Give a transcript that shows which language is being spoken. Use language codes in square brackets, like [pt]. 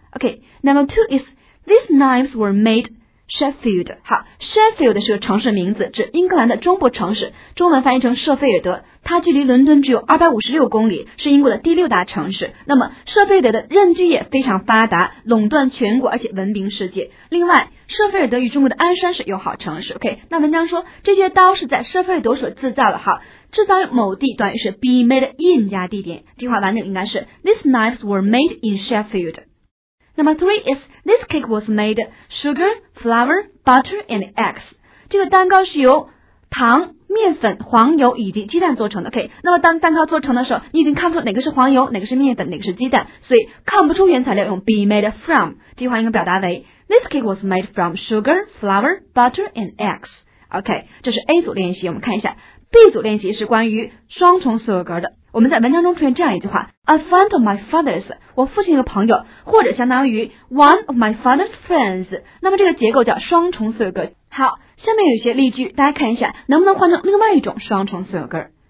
[en] OK, number two is, these knives were made Sheffield. [zh] 好， Sheffield 是个城市名字，指英格兰的中部城市，中文翻译成舍菲尔德。它距离伦敦只有256公里，是英国的第六大城市。那么舍菲尔德的任具业非常发达，垄断全国，而且闻名世界。另外，舍菲尔德与中国的鞍山是友好城市。OK, 那文章说，这些刀是在舍菲尔德所制造的。好，制造于某地，短语是 be made in 加地点。这句话完整应该是 [en] These knives were made in Sheffield. Number three is This cake was made sugar, flour, butter and eggs. [zh] 这个蛋糕是由糖、面粉、黄油以及鸡蛋做成的。OK, 那么当蛋糕做成的时候，你已经看不出哪个是黄油，哪个是面粉，哪个是鸡蛋，所以看不出原材料用 be made from. 这句话应该表达为 [en] This cake was made from sugar, flour, butter and eggs. [zh] OK, 这是 A 组练习，我们看一下B 组练习是关于双重所有格的。我们在文章中出现这样一句话 [en] A friend of my father's， [zh] 我父亲的朋友，或者相当于 [en] One of my father's friends， [zh] 那么这个结构叫双重所有格。好，下面有一些例句，大家看一下能不能换成另外一种双重所有格。